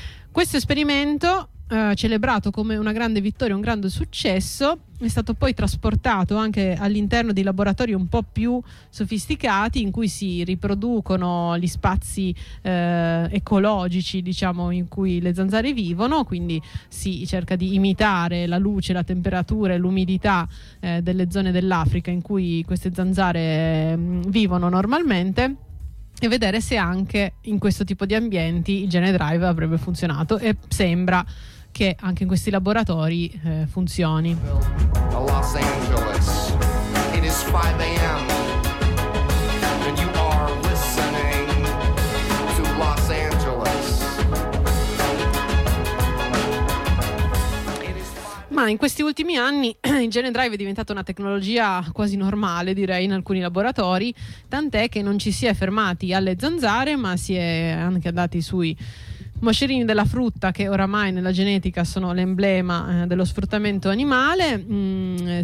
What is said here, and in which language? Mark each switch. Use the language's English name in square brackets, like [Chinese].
[Italian] Questo esperimento, celebrato come una grande vittoria, un grande successo, è stato poi trasportato anche all'interno di laboratori un po' più sofisticati in cui si riproducono gli spazi ecologici, diciamo, in cui le zanzare vivono, quindi si cerca di imitare la luce, la temperatura e l'umidità delle zone dell'Africa in cui queste zanzare vivono normalmente, e vedere se anche in questo tipo di ambienti il gene drive avrebbe funzionato, e sembra che anche in questi laboratori funzioni. [English] Los Angeles, it is 5 a.m. and you are listening to Los Angeles. [Italian] Ma in questi ultimi anni il gene drive è diventata una tecnologia quasi normale, direi, in alcuni laboratori, tant'è che non ci si è fermati alle zanzare, ma si è anche andati sui moscerini della frutta, che oramai nella genetica sono l'emblema dello sfruttamento animale.